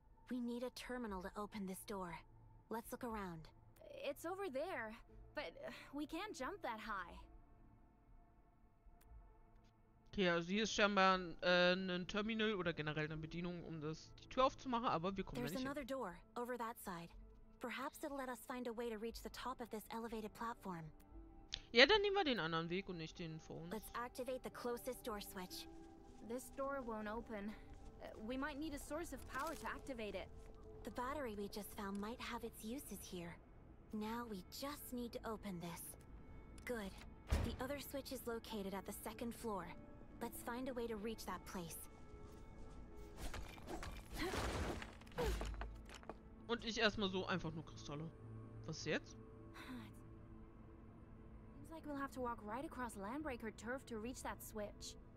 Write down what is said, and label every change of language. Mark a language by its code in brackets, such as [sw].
[en] We need a terminal to open this door. Let's look around. It's over there, but we can't jump that high. [de] Okay, also hier ist scheinbar ein Terminal oder generell eine Bedienung, um das die Tür aufzumachen, aber wir kommen da nicht hin. [en] Over that side. Perhaps it'll let us find a way to reach the top of this elevated platform. [de] Ja, dann nehmen wir den anderen Weg und nicht den vor uns. [en] Let's activate the closest door switch. This door won't open. We might need a source of power to activate it. The battery we just found might have its uses here. Now we just need to open this. Good. The other switch is located at the second floor. Let's find a way to reach that place. [de] Und ich erstmal so einfach nur Kristalle. Was jetzt? [en] Seems like we'll have to walk right across Landbreaker turf to reach that switch.